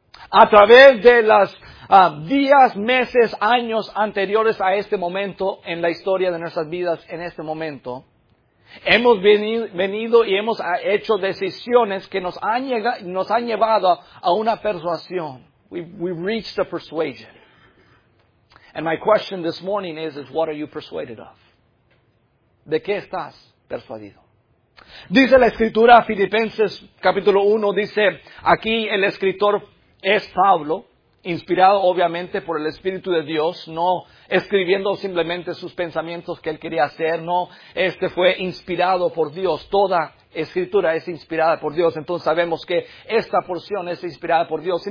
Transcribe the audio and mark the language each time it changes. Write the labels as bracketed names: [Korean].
[Spanish] A través de las días, meses, años anteriores a este momento en la historia de nuestras vidas, en este momento, hemos venido y hemos hecho decisiones que nos han llevado a una persuasión. [English] We've reached a persuasion. And my question this morning is what are you persuaded of? [Spanish] ¿De qué estás persuadido? Dice la Escritura, Filipenses capítulo 1, dice aquí el escritor es Pablo, inspirado obviamente por el Espíritu de Dios, no escribiendo simplemente sus pensamientos que él quería hacer, no, este fue inspirado por Dios, toda Escritura es inspirada por Dios, entonces sabemos que esta porción es inspirada por Dios.